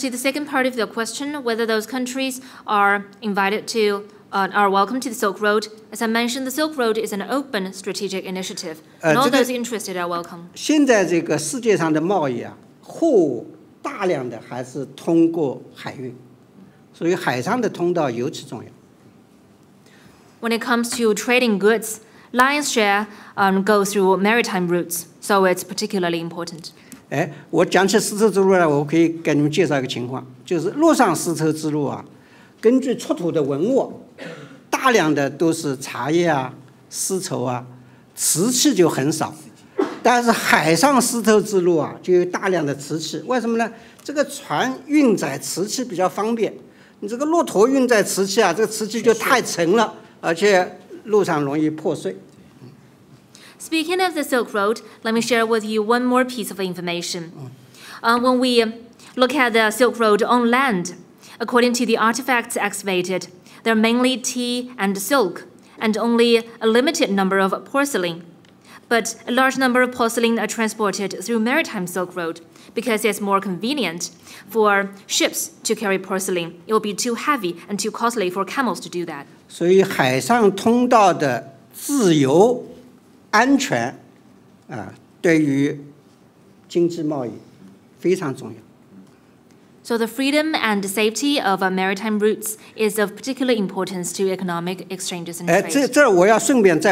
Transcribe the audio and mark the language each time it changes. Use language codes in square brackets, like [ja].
[en] to the second part of the question, whether those countries are invited to, are welcome to the Silk Road, as I mentioned, the Silk Road is an open strategic initiative. All those interested are welcome. [zh] 现在这个世界上的贸易啊，货大量的还是通过海运，所以海上的通道尤其重要。 [en] When it comes to trading goods, lion's share goes through maritime routes, so it's particularly important. [zh] 哎，我讲起丝绸之路来，我可以给你们介绍一个情况，就是陆上丝绸之路啊，根据出土的文物，大量的都是茶叶啊、丝绸啊，瓷器就很少，但是海上丝绸之路啊，就有大量的瓷器。为什么呢？这个船运载瓷器比较方便，你这个骆驼运载瓷器啊，这个瓷器就太沉了。 而且路上容易破碎。 [en] Speaking of the Silk Road, let me share with you one more piece of information. When we look at the Silk Road on land, according to the artifacts excavated, they're mainly tea and silk, and only a limited number of porcelain. But a large number of porcelain are transported through maritime Silk Road because it's more convenient for ships to carry porcelain. It will be too heavy and too costly for camels to do that. [zh] 所以海上通道的自由安全对于经济贸易非常重要。 [en] So the freedom and the safety of maritime routes is of particular importance to economic exchanges and trade.